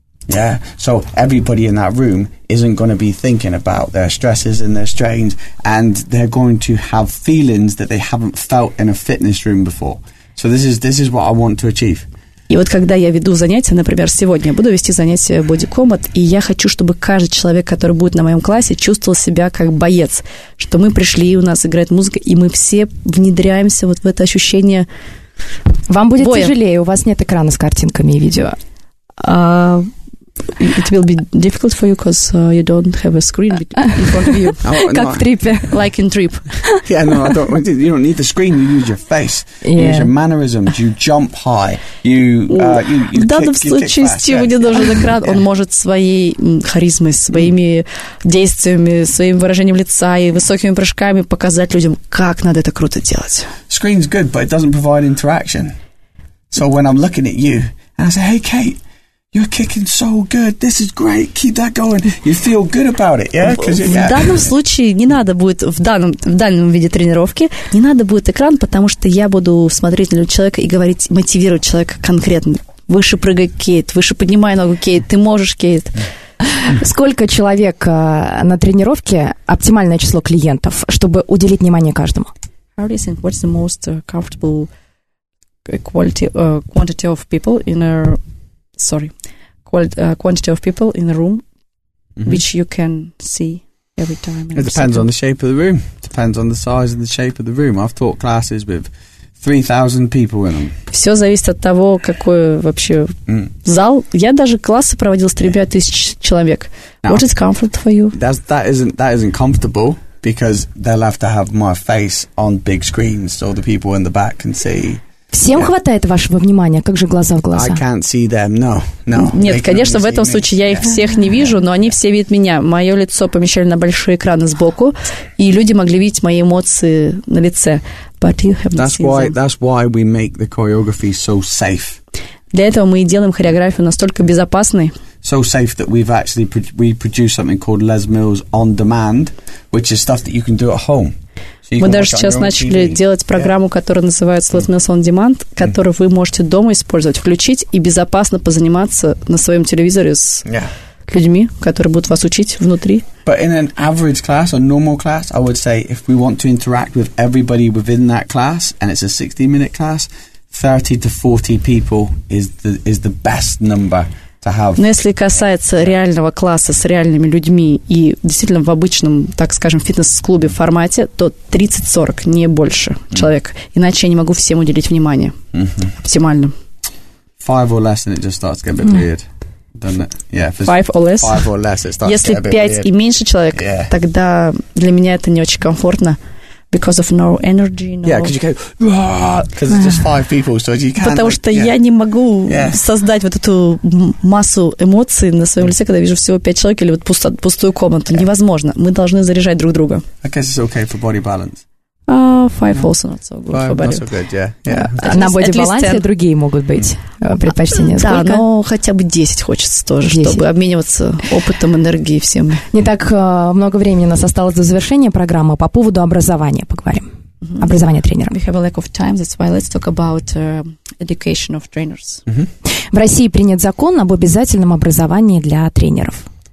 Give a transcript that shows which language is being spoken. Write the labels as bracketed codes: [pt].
[en] Yeah, so everybody in that room isn't going to be thinking about their stresses and their strains, and they're going to have feelings that they haven't felt in a fitness room before. So this is what I want to achieve. [ru] И вот когда я веду занятия, например, сегодня я буду вести занятия Body Combat, и я хочу, чтобы каждый человек, который будет на моем классе, чувствовал себя как боец, что мы пришли, и у нас играет музыка, и мы все внедряемся вот в это ощущение боя. Вам будет тяжелее, у вас нет экрана с картинками и видео. [en] It will be difficult for you because you don't have a screen in front of you. [ru] Как в трипе. [en] Like in trip. Yeah, no, I don't. You don't need the screen. You use your face. Yeah. You use your mannerisms. You jump high. You [ru] в данном случае Стиву не нужен экран. Он может своей харизмой, своими действиями, своим выражением лица и высокими прыжками показать людям, как надо это круто делать. [en] Screen's good, but it doesn't provide interaction. So when I'm looking at you, and I say, hey, Kate, you're kicking so good, this is great, keep that going, you feel good about it, yeah? [ru] В данном случае не надо будет, в данном виде тренировки, не надо будет экран, потому что я буду смотреть на человека и говорить, мотивировать человека конкретно. Выше прыгай, Кейт, выше поднимай ногу, Кейт, ты можешь, Кейт. [en] Сколько человек на тренировке, оптимальное число клиентов, чтобы уделить внимание каждому? How do you think, what's the most comfortable quality, quantity of people in a, sorry, quantity of people in a room, mm-hmm. which you can see every time? It depends on the shape of the room, depends on the size and the shape of the room. I've taught classes with 3,000 people in them. [ru] Все зависит от того, какой вообще зал. Я даже классы проводил с 3000 человек. [en] Now, what is comfort for you? That isn't comfortable because they'll have to have my face on big screens so the people in the back can see. [ru] Всем хватает вашего внимания, как же глаза в глаза? [en] I can't see them. No. No. [ru] Нет, конечно, в этом случае я их всех не вижу, но они все видят меня. Мое лицо помещали на большие экраны сбоку, и люди могли видеть мои эмоции на лице. [en] But you haven't seen why, them. That's why we make the choreography so safe. [ru] Для этого мы и делаем хореографию настолько безопасной. [en] So safe that we've actually we produce something called Les Mills On Demand, which is stuff that you can do at home. [ru] Мы даже сейчас начали делать программу, которая называется Les Mills On Demand, которую вы можете дома использовать, включить и безопасно позаниматься на своем телевизоре с людьми, которые будут вас учить внутри. [en] But in an average class, a normal class, I would say if we want to interact with everybody within that class, and it's a 60-minute class, 30 to 40 people is the best number. [ru] Но если касается реального класса с реальными людьми и действительно в обычном, так скажем, фитнес-клубе формате, то 30-40, не больше человек. Иначе я не могу всем уделить внимание. Mm-hmm. Оптимально. [en] Five or less, and it just starts to get a bit weird. Doesn't it? Yeah, five or less, it starts [ru] если [en] to get a bit 5 weird. [ru] И меньше человек, тогда для меня это не очень комфортно. [en] Because of no energy, no... Yeah, because you go... Because it's just five people, so you can't... [ru] Потому что я не могу создать вот эту массу эмоций на своем лице, когда вижу всего пять человек или вот пустую комнату. Yeah. Невозможно. Мы должны заряжать друг друга. [en] I guess it's okay for body balance. Five also not so good five for body. Not so good, yeah. [ru] На боди-балансе другие могут быть предпочтения. Да, но хотя бы 10 хочется тоже, 10. Чтобы обмениваться опытом, энергией всем. Не так много времени у нас осталось до завершения программы. По поводу образования поговорим. Mm-hmm. Образование тренера. [en] We have a lack of time, that's why let's talk about education of trainers. [ru] Mm-hmm. В России принят закон об обязательном образовании для тренеров.